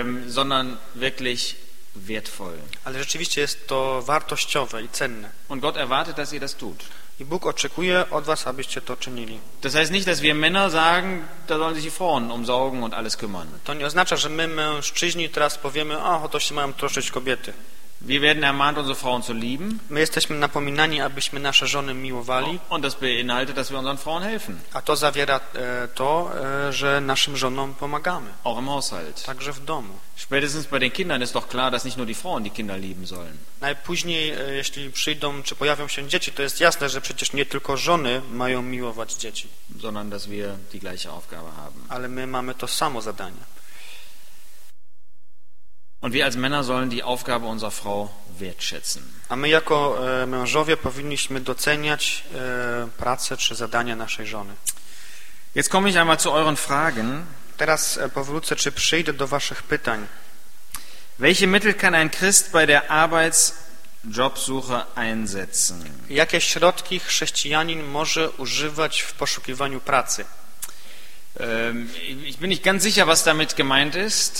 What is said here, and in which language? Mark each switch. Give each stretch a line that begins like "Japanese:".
German: Sondern wirklich wertvoll.
Polish: Ale rzeczywiście jest to wartościowe i cenne.
German: Und Gott erwartet, dass ihr das tut.
Polish: I Bóg oczekuje od was, abyście to czynili.
German: Das heißt nicht, dass wir Männer sagen, da sollen sich die Frauen umsorgen und alles kümmern.
Polish: To nie oznacza, że my mężczyźni teraz powiemy, to się mają troszczyć kobiety.
German: Wir werden ermahnt, unsere Frauen zu lieben.
Polish: My jesteśmy napominani, abyśmy nasze żony miłowali.
German: Und das beinhaltet, dass wir unseren Frauen helfen.
Polish: A to zawiera że naszym żonom pomagamy.
German: Auch im Haushalt.
Polish: Także w domu.
German: Spätestens bei den Kindern ist doch klar, dass nicht nur die Frauen die Kinder lieben sollen.
Polish: Najpóźniej, jeśli przyjdą, czy pojawią się dzieci, to jest jasne, że przecież nie tylko żony mają miłować dzieci.
German: Sondern, dass wir die gleiche Aufgabe haben.
Polish: Ale my mamy to samo zadanie.
German: Und wir als Männer sollen die Aufgabe unserer Frau wertschätzen.
Polish: A my jako mężowie powinniśmy doceniać pracę czy zadania naszej żony.
German: Jetzt komme ich einmal zu euren Fragen.
Polish: Teraz powrócę czy przyjdę do waszych pytań.
German: Welche Mittel kann ein Christ bei der Arbeitsjobsuche einsetzen?
Polish: Jakie środki chrześcijanin może używać w poszukiwaniu pracy?
German: Ich bin nicht ganz sicher, was damit gemeint ist.